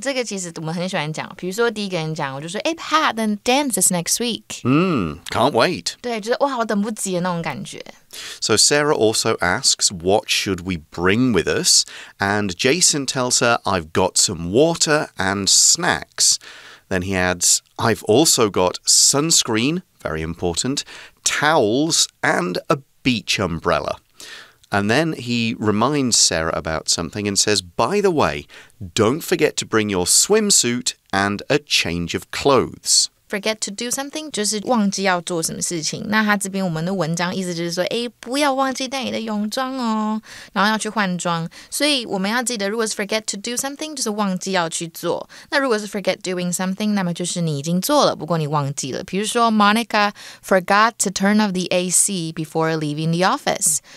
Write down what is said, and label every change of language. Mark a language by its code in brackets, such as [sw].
[zh] 这个其实我们很喜欢讲。比如说第一个人讲，我就说，哎 ， [en] Pat, then dance is next week. Can't wait. [zh] 对，就是哇，我等不及的那种感觉。 [en] So Sarah also asks, what should we bring with us? And Jason tells her, I've got some water and snacks. Then he adds, I've also got sunscreen, very important, towels and a beach umbrella. And then he reminds Sarah about something and says, by the way, don't forget to bring your swimsuit and a change of clothes. forget to do something [zh] 就是忘记要做什么事情。那他这边我们的文章意思就是说，哎，不要忘记带你的泳装哦，然后要去换装。所以我们要记得，如果是 [en] forget to do something [zh] 就是忘记要去做。那如果是 [en] forget doing something， [zh] 那么就是你已经做了，不过你忘记了。比如说 [en] ，Monica forgot to turn off the AC before leaving the office。